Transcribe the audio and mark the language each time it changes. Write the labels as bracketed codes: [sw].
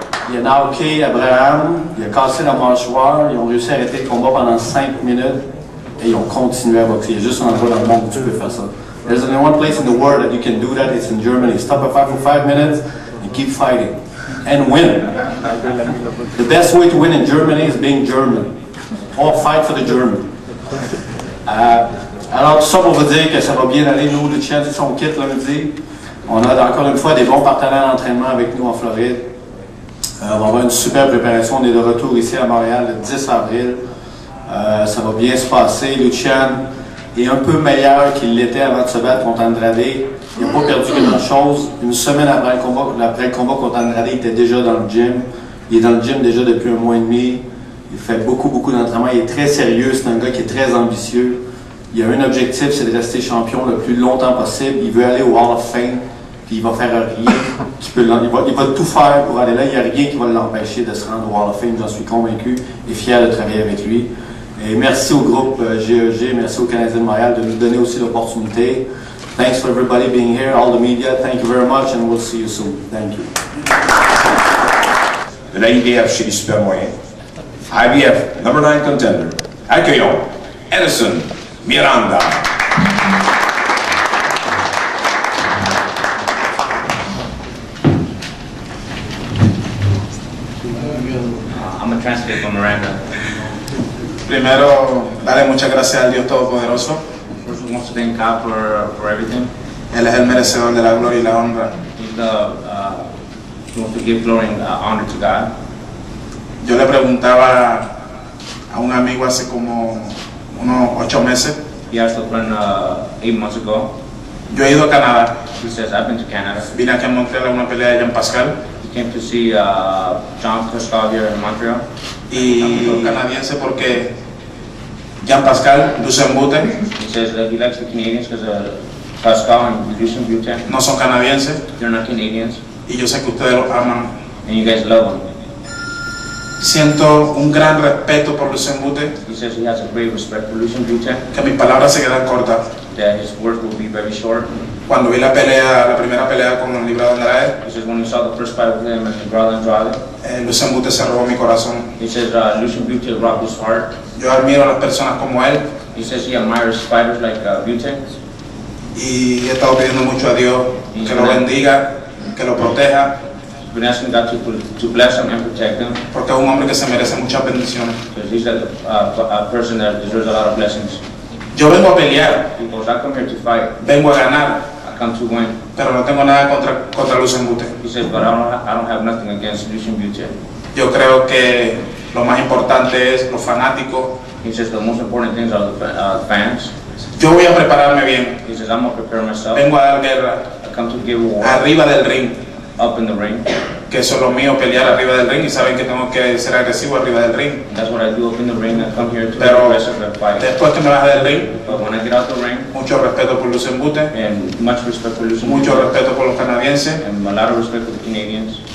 [fr] Il y a Naoki Abraham, il a cassé la mâchoire, ils ont réussi à arrêter le combat pendant 5 minutes et ils ont continué à boxer. Il y a juste un endroit dans le monde où tu peux faire ça. [en] There's only one place in the world that you can do that, it's in Germany. Stop a fight for 5 minutes and keep fighting. And win. The best way to win in Germany is being German. Or fight for the German. [fr] Alors tout ça pour vous dire que ça va bien aller, nous, le chien, on quitte lundi. On a encore une fois des bons partenaires d'entraînement avec nous en Floride. On va avoir une super préparation. On est de retour ici à Montréal le 10 avril. Ça va bien se passer. Lucien est un peu meilleur qu'il l'était avant de se battre contre Andrade. Il n'a pas perdu grand-chose. Une semaine après le combat contre Andrade, il était déjà dans le gym. Il est dans le gym déjà depuis un mois et demi. Il fait beaucoup, beaucoup d'entraînement. Il est très sérieux. C'est un gars qui est très ambitieux. Il a un objectif, c'est de rester champion le plus longtemps possible. Il veut aller au Hall of Fame. Puis il va faire rien. Il va tout faire pour aller là. Il n'y a rien qui va l'empêcher de se rendre au Hall of Fame. J'en suis convaincu et fier de travailler avec lui. Et merci au groupe GEG, merci au Canadien de Montréal de nous donner aussi l'opportunité. [en] Thanks for everybody being here, all the media. Thank you very much and we'll see you soon. Thank you. [fr] De la IBF chez les super moyens. IBF, [en] number 9 contender. [fr] Accueillons Edison Miranda. [en] translate for Miranda. [es] Primero, dale muchas gracias al Dios Todopoderoso. [en] First, we want to thank God for everything. [es] Él es el merecedor de la gloria y la honra. [en] He wants to give glory and honor to God. [es] Yo le preguntaba a un amigo hace como unos 8 meses. [en] He asked a friend 8 months ago. [es] Yo he ido a Canadá. [en] He says, I've been to Canada. [es] Vine aquí a Montreal a una pelea de Jean Pascal. [en] He came to see Jean Pascal here in Montreal. [es] Y canadiense porque Jean Pascal, Lucenbuten. [en] He says that he likes the Canadians because Pascal and Lucenbuten. [es] No son canadienses. [en] They're not Canadians. [es] Y yo sé que ustedes los aman. [en] And you guys love them. [es] Siento un gran respeto por Lucenbuten. [en] He says he has a great respect for Lucenbuten. [es] Que mis palabras se quedan cortas. [en] That his words will be very short. [es] Cuando vi la primera pelea con el Libra Andrade. [en] He says when he saw the first fight with him and Libra Andrade. [es] Lucenbuten se robó mi corazón. [en] He says Lucenbuten robbed his heart. [es] Yo admiro a las personas como él. [en] He says he admires fighters like Buten. [es] Y he estado pidiendo mucho a Dios que lo bendiga, que lo proteja. [en] He's been asking God to bless him and protect him. [es] Porque es un hombre que se merece muchas bendiciones. [en] Because he's a person that deserves a lot of blessings. [es] Yo vengo a pelear. [en] Because I come here to fight. [es] Vengo a ganar. [en] I come to win. [es] Pero no tengo nada contra Lucenbuten. [en] He says, but I don't have nothing against Lucenbuten. [es] Yo creo que lo más importante es los fanáticos. [en] He says, the most important things are the fans. [es] Yo voy a prepararme bien. [en] He says, I'm going to prepare myself. [es] Vengo a dar guerra. [en] I come to give war. [es] Arriba del ring. [en] Up in the ring. [es] Que eso es lo mío, pelear arriba del ring, y saben que tengo que ser agresivo arriba del ring. [en] That's what I do up in the ring, I come here to be aggressive and fight. [es] Después que me baje del ring, [en] but when I get out the ring, [es] mucho respeto por Lucenbuten, [en] and much respect for Lucenbuten, [es] mucho respeto por los canadienses, [en] and a lot of respect for the Canadians.